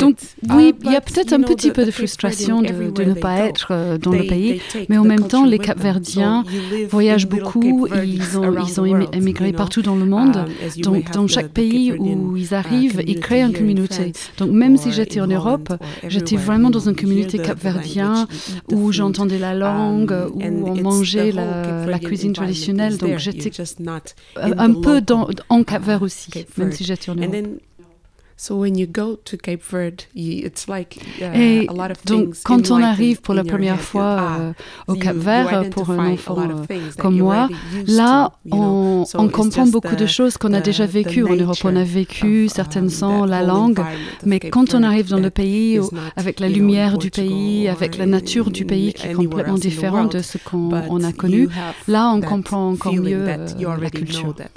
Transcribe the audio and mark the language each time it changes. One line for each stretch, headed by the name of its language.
French: Donc oui, il y a peut-être un petit peu de frustration de ne pas être dans le pays, mais en même temps, les Capverdiens voyagent beaucoup, ils ont émigré partout dans le monde, donc dans chaque pays où ils arrivent, ils créent une communauté. Donc même si j'étais en Europe, j'étais vraiment dans une communauté capverdienne où j'entendais la langue, où on mangeait la cuisine traditionnelle, donc j'étais un peu en Cap Vert aussi, même si j'étais en Europe.
English: So when you go to Cape Verde, it's like a lot of things.
French: Donc quand on arrive pour la première fois au Cap Vert pour un enfant comme moi, là on comprend beaucoup de choses qu'on a déjà vécues en Europe. On a vécu certaines sons, la langue, mais quand on arrive dans le pays avec la lumière du pays, avec la nature du pays qui est complètement différente de ce qu'on a connu, là on comprend encore mieux la culture.